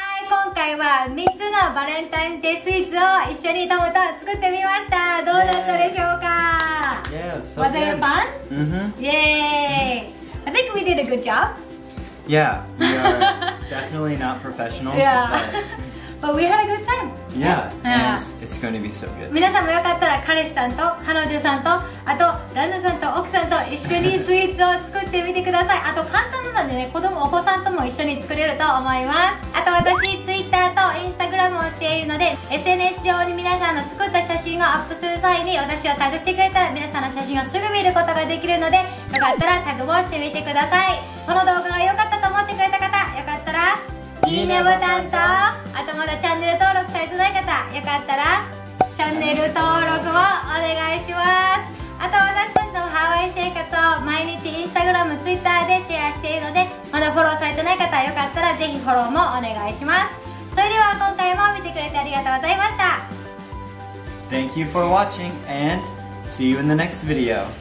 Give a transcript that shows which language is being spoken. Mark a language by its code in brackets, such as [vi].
[ja] 3つのバレンタインデースイーツを一緒にトムと作ってみました。どうだったでしょうか。 [en] Yeah, so good. Was it fun? Mm-hmm. Yay! I think we did a good job. Yeah, we are definitely not professionals. Yeah. But we had a good time. Yeah, it's going to be so good. [ja] 皆さんもよかったら彼氏さんと彼女さんとあと旦那さんと奥さんと一緒にスイーツを作ってみてください。あと簡単なのでね、子供お子さんとも一緒に作れると思います。あと私ツイッターとインスタグラムをしているので、 SNS 上に皆さんの作った写真をアップする際に私をタグしてくれたら皆さんの写真をすぐ見ることができるので、よかったらタグもしてみてください。この動画が良かったと思ってくれた方、よかったらいいねボタンと、あとまだチャンネル登録されてない方、よかったらチャンネル登録をお願いします。あと私たちのハワイ生活を毎日インスタグラム、ツイッターでシェアしているので、まだフォローされてない方、よかったらぜひフォローもお願いします。それでは今回も見てくれてありがとうございました。 [en] Thank you for watching and see you in the next video.